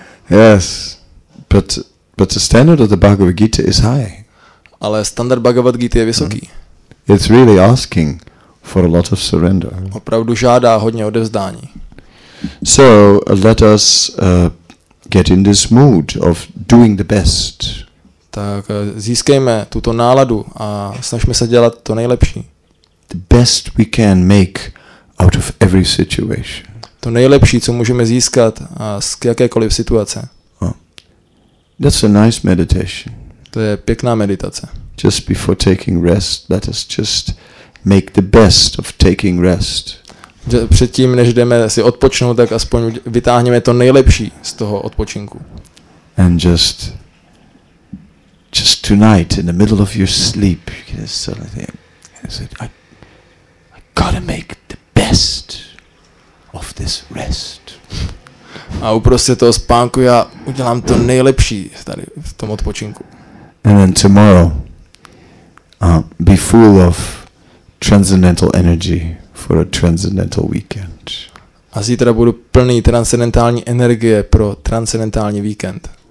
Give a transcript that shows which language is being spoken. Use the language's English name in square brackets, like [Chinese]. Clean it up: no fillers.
[English] Yes, but the standard of the Bhagavad Gita is high. [Czech] Ale standard Bhagavad Gita je vysoký. [English] It's really asking for a lot of surrender. [Czech] Opravdu žádá hodně odevzdání. [English] So let us get in this mood of doing the best. [Czech] Tak získejme tuto náladu a snažme se dělat to nejlepší. [English] The best we can make out of every situation. [Czech] To nejlepší, co můžeme získat z jakékoliv situace. [English] That's a nice meditation. [Czech] To je pěkná meditace. [English] Just before taking rest, let us just make the best of taking rest. [Czech] Předtím, než jdeme si odpočnout, tak aspoň vytáhneme to nejlepší z toho odpočinku. [English] And just tonight, in the middle of your sleep, you can just say, I gotta make the best of this rest. [Czech] A uprostě toho spánku já udělám to nejlepší tady v tom odpočinku. [English] And then tomorrow, be full of transcendental energy for a transcendental weekend. [Czech] A zítra budu plný transcendentální energie pro transcendentální víkend.